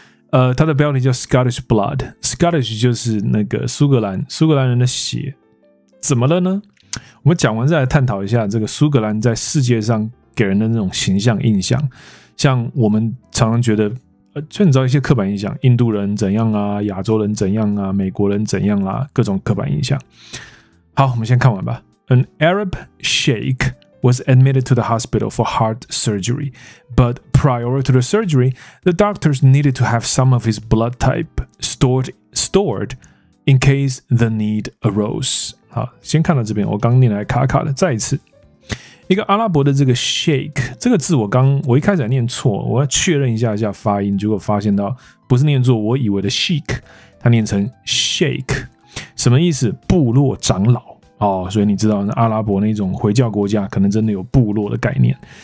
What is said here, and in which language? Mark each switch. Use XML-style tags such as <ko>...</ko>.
<zh>它的标题叫 Scottish Blood， Scottish 就是那个苏格兰人的血。怎么了呢？我们讲完再来探讨一下这个苏格兰在世界上给人的那种形象印象。像我们常常觉得，就你知道一些刻板印象，印度人怎样啊，亚洲人怎样啊，美国人怎样啊，各种刻板印象。好，我们先看完吧。</zh> <en>An Arab Sheikh was admitted to the hospital for heart surgery, but prior to the surgery, the doctors needed to have some of his blood type stored in case the need arose.</en> <zh>好，先看到这边，我刚念来卡卡的，再一次。一个阿拉伯的这个 Sheikh 这个字，我一开始还念错，我要确认一下发音，结果发现到不是念作我以为的 Sheikh， 它念成 Sheikh， 什么意思？部落长老哦，所以你知道阿拉伯那种回教国家可能真的有部落的概念。</zh>